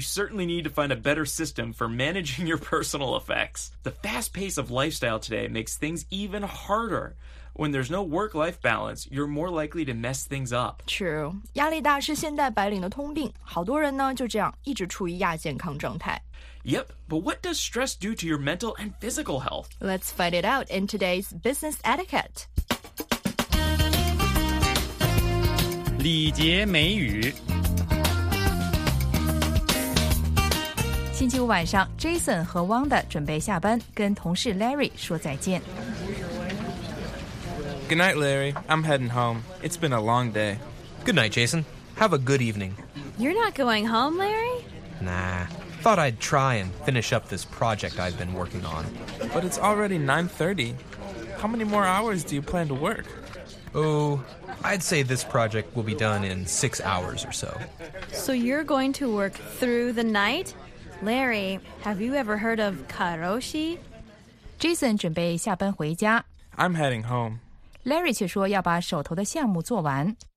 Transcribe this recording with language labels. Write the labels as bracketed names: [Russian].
[English] certainly need to find a better system for managing your personal effects. The fast pace of lifestyle today makes things even harder. When there's no work-life balance, you're more likely to mess things up. True. [Chinese] 压力大是现代白领的通病，好多人呢就这样一直处于亚健康状态。 [English] Yep, but what does stress do to your mental and physical health? Let's find it out in today's Business Etiquette. [Chinese] 礼节美语。星期五晚上, Jason 和 Wanda 准备下班, 跟同事 Larry 说再见。 [English] Good night, Larry. I'm heading home. It's been a long day. Good night, Jason. Have a good evening. You're not going home, Larry? Nah. Thought I'd try and finish up this project I've been working on. But it's already 9:30. How many more hours do you plan to work? Oh, I'd say this project will be done in 6 hours or so. So you're going to work through the night? Larry, have you ever heard of karoshi? [Chinese] Jason 准备下班回家。 [English] I'm heading home. [Chinese] Larry 却说要把手头的项目做完。